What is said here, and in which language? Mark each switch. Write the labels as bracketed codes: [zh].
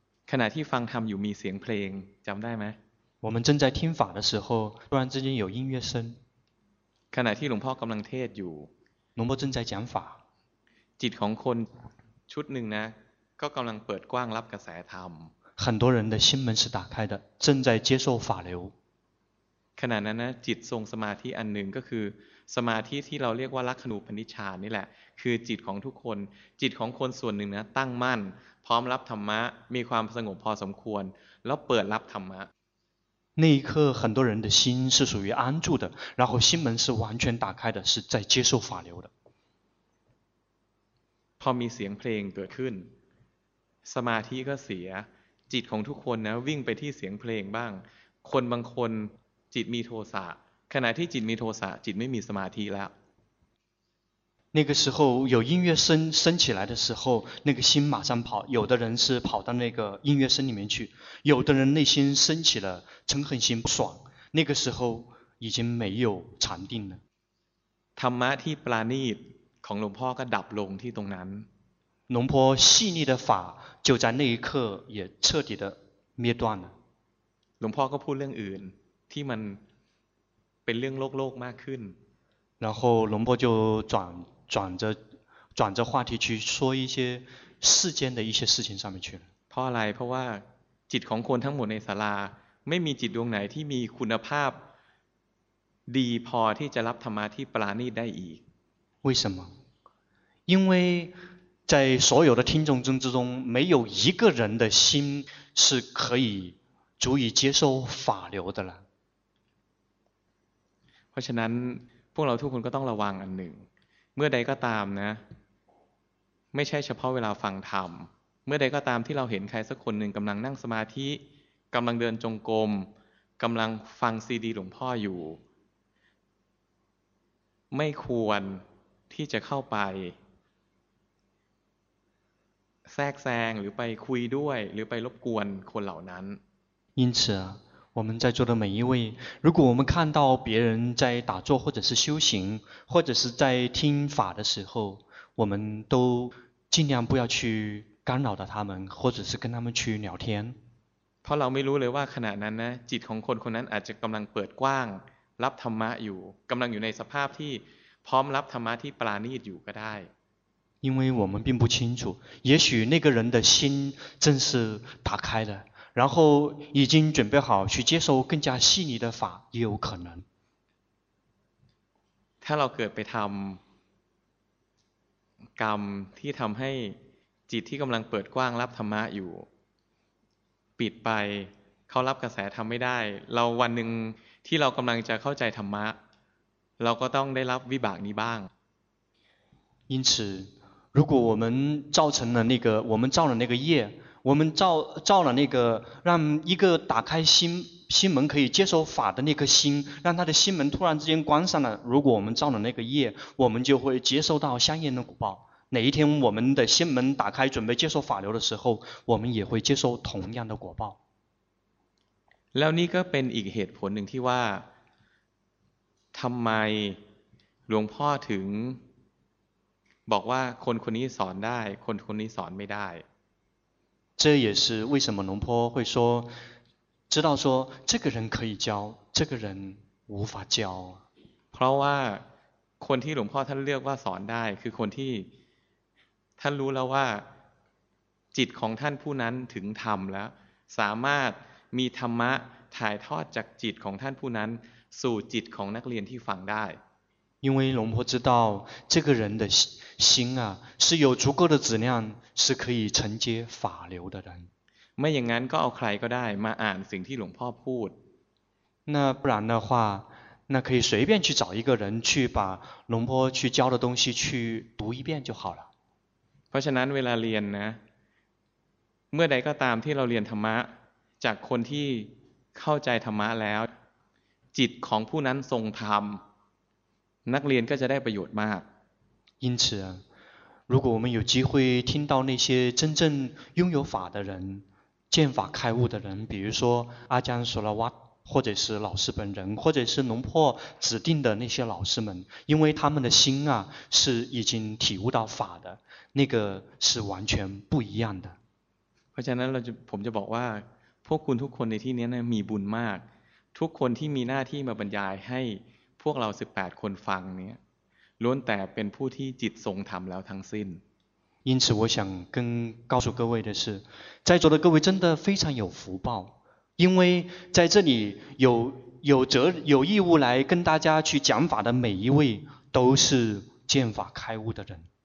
[th] ขณะที่ฟังธรรมอยู่มีเสียงเพลงจำได้ไหม？ [zh] 我们正在听法的时候，突然之间有音乐声。 [th] ขณะที่หลวงพ่อกำลังเทศอยู่ [zh] ，หลวงพ่อ正在讲法。 [th] จิตของคนชุดหนึ่งนะก็กำลังเปิดกว้างรับกระแสธรรม。 [zh] 很多人的心门是打开的，正在接受法流。 [th] ขณะนั้นนะจิตทรงสมาธิอันหนึ่งก็คือสมาธิที่เราเรียกว่าลักขณูปนิชฌานนี่แหละคือจิตของทุกคนจิตของคนส่วนหนึ่งนะตั้งมั่นพร้อมรับธรรมะมีความสงบพอสมควรแล้วเปิดรับธรรมะ [zh] 那一刻很多人的心是属于安住的然后心门是完全打开的是在接受法流的 [th] พอมีเสียงเพลงเกิดขึ้นสมาธิก็เสียจิตของทุกคนนะวิ่งไปที่เสียงเพลงบ้างคนบางคนจิตมีโทสะขณะที่จิตมีโทสะจิตไม่มีสมาธิแล้ว [zh] 那个时候有音乐声升起来的时候那个心马上跑有的人是跑到那个音乐声里面去有的人内心升起了嗔恨心不爽那个时候已经没有禅定了 [th] ธรรมะที่ปราณีตของหลวงพ่อก็ดับลงที่ตรงนั้น [zh] หลวงพ่อ细腻的法就在那一刻也彻底的灭断了 [th] หลวงพ่อก็พูดเรื่องอื่นที่มันเป็นเรื่องโลกโลกมากขึ้น [zh] 然后龙波就转着话题去说一些世间的一些事情上面去了 [th] เพราะอะไรเพราะว่าจิตของคนทั้งหมดในศาลาไม่มีจิตดวงไหนที่มีคุณภาพดีพอที่จะรับธรรมะที่ปราณีตได้อีก [zh] 为什么因为在所有的听众之中没有一个人的心是可以足以接受法流的了 [th] เพราะฉะนั้นพวกเราทุกคนก็ต้องระวังอันหนึ่งเมื่อใดก็ตามนะไม่ใช่เฉพาะเวลาฟังธรรมเมื่อใดก็ตามที่เราเห็นใครสักคนหนึ่งกำลังนั่งสมาธิกำลังเดินจงกรมกำลังฟังซีดีหลวงพ่ออยู่ไม่ควรที่จะเข้าไปแทรกแซงหรือไปคุยด้วยหรือไปรบกวนคนเหล่านั้น [zh] 因此我们在座的每一位，如果我们看到别人在打坐或者是修行，或者是在听法的时候，我们都尽量不要去干扰到他们，或者是跟他们去聊天。 [th] เพราะเราไม่รู้เลยว่าขณะนั้นนะจิตของคนคนนั้นอาจจะกำลังเปิดกว้างรับธรรมะอยู่กำลังอยู่ในสภาพที่พร้อมรับธรรมะที่ปราณีตอยู่ก็ได้ [zh] 因为我们并不清楚，也许那个人的心正是打开的然后已经准备好去接受更加细腻的法也有可能 [th] ถ้าเราเกิดไปทำกรรมที่ทำให้จิตที่กำลังเปิดกว้างรับธรรมะอยู่ปิดไปเขารับกระแสทำไม่ได้เราวันหนึ่งที่เรากำลังจะเข้าใจธรรมะเราก็ต้องได้รับวิบากนี้บ้าง [zh] 因此如果我们造成了那个我们造了那个业我们造了那个让一个打开心门可以接受法的那颗心让他的心门突然之间关上了如果我们造了那个业我们就会接受到相应的果报哪一天我们的心门打开准备接受法流的时候我们也会接受同样的果报 [th] แล้วนี่ก็เป็นอีกเหตุผลหนึ่งที่ว่าทำไมหลวงพ่อถึงบอกว่าคนคนนี้สอนได้คนคนนี้สอนไม่ได้ [zh] 这也是为什么龙坡会说知道说这个人可以教这个人无法教 [th] เพราะว่าคนที่หลวงพ่อท่านเลือกว่าสอนได้คือคนที่ท่านรู้แล้วว่า จิตของท่านผู้นั้นถึงธรรมแล้วสามารถมีธรรมะถ่ายทอดจากจิตของท่านผู้นั้นสู่จิตของนักเรียนที่ฟังได้ [zh] 因为龙婆知道这个人的心啊是有足够的质量是可以承接法流的人。 [th] ไม่อย่างนั้นก็เอาใครก็ได้มาอ่านสิ่งที่หลวงพ่อพูด。 [zh] 那不然的话那可以随便去找一个人去把龙婆去教的东西去读一遍就好了。 [th] เพราะฉะนั้นเวลาเรียนนะเมื่อใดก็ตามที่เราเรียนธรรมะจากคนที่เข้าใจธรรมะแล้วจิตของผู้นั้นทรงธรรมนักเรียนก็จะได้ประโยชน์มาก [zh] 因此如果我们有机会听到那些真正拥有法的人见法开悟的人比如说阿姜索拉瓦或者是老师本人或者是龙婆指定的那些老师们因为他们的心啊是已经体悟到法的那个是完全不一样的 [th] เพราะฉะนั้นผมจะบอกว่าพวกคุณทุกคนในที่นี้มีบุญมากทุกคนที่มีหน้าที่มาบรรยายใหพวกเรา18คนฟังเนี่ยล้วนแต่เป็นผู้ที่จิตทรงธรรมแล้วทั้งสิ้น [zh] 因此我想跟告诉各位的是在座的各位真的非常有福报因为在这里有义务来跟大家去讲法的每一位都是见法开悟的人